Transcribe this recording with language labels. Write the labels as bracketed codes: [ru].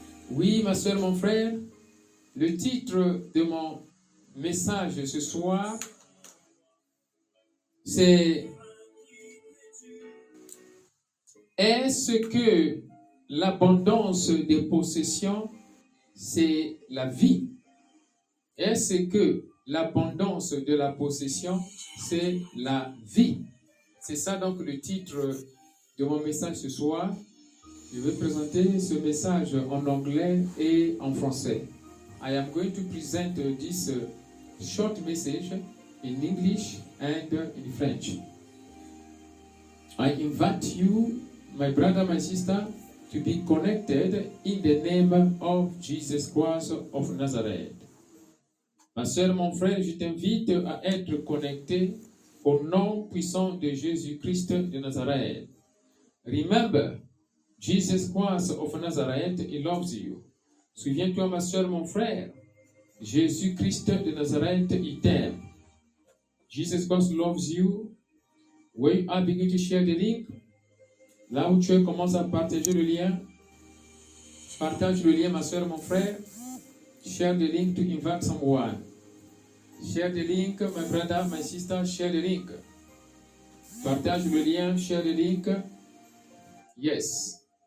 [fr] Oui, ma soeur, mon frère, le titre de mon message ce soir, c'est Est-ce que l'abondance des possessions, c'est la vie? Est-ce que l'abondance de la possession, c'est la vie? C'est ça donc le titre de mon message ce soir. Je vais présenter ce message en anglais et en français. [en] I am going to present this short message in English and in French. I invite you, my brother, my sister, to be connected in the name of Jesus Christ of Nazareth. [fr] Ma soeur, mon frère, je t'invite à être connecté au nom puissant de Jésus-Christ de Nazareth. [en] Remember, Jesus Christ of Nazareth, he loves you. [fr] Souviens-toi, ma soeur, mon frère. Jésus-Christ de Nazareth, il t'aime. [en] Jesus Christ loves you. Where you are beginning to share the link? [fr] Là où tu commences à partager le lien. Partage le lien, ma soeur, mon frère. [en] Share the link to invite someone. Share the link, my brother, my sister, share the link. [fr] Partage le lien, [en] share the link. Yes.